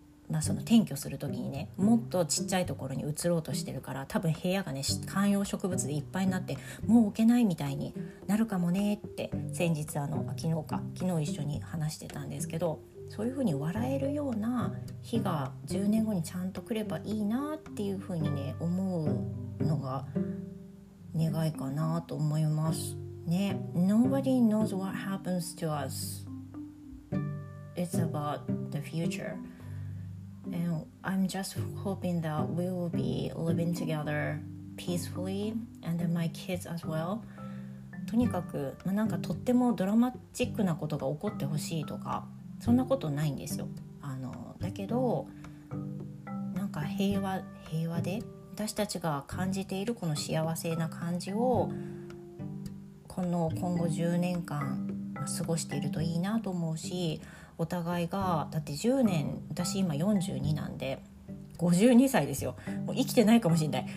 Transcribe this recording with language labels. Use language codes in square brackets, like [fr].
[ja] まあ、その転居するときにね、もっとちっちゃいところに移ろうとしてるから、多分部屋がね観葉植物でいっぱいになってもう置けないみたいになるかもねって、先日昨日一緒に話してたんですけど、そういう風に笑えるような日が10年後にちゃんと来ればいいなっていう風にね思うのが願いかなと思いますね。 [en] Nobody knows what happens to us. It's about the futureAnd I'm just hoping that we will be living together peacefully, and then my kids as well. [ja] とにかく、まあ、なんかとってもドラマチックなことが起こってほしいとかそんなことないんですよ。だけどなんか平和で私たちが感じているこの幸せな感じをこの今後10年間過ごしているといいなと思うし、お互いがだって10年私今42なんで52歳ですよ、もう生きてないかもしれない。